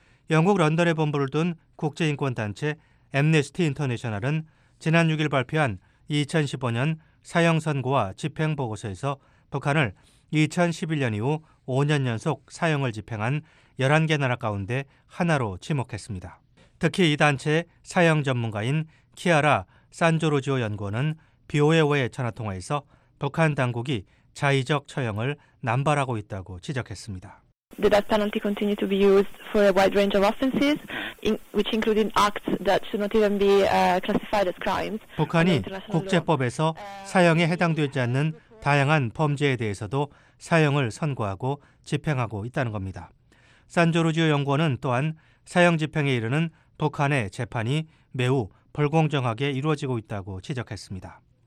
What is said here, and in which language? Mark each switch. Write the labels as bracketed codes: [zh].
[ko] 영국 런던에 본부를 둔 국제인권단체 Amnesty International은 지난 6일 발표한 2015년 사형선고와 집행보고서에서 북한을 2011년 이후 5년 연속 사형을 집행한 11개 나라 가운데 하나로 지목했습니다. 특히 이 단체 사형 전문가인 키아라 산조로지오 연구원은 BOA와의 전화통화에서 북한 당국이 자의적 처형을 남발하고 있다고 지적했습니다. [en] The death penalty continues to be used for a wide range of offenses, which include acts that should not even be classified as crimes. [ko] 북한이 국제법에서 사형에 해당되지 않는 다양한 범죄에 대해서도 사형을 선고하고 집행하고 있다는 겁니다. 산조르지오 연구원은 또한 사형 집행에 이르는 북한의 재판이 매우 불공정하게 이루어지고 있다고 지적했습니다.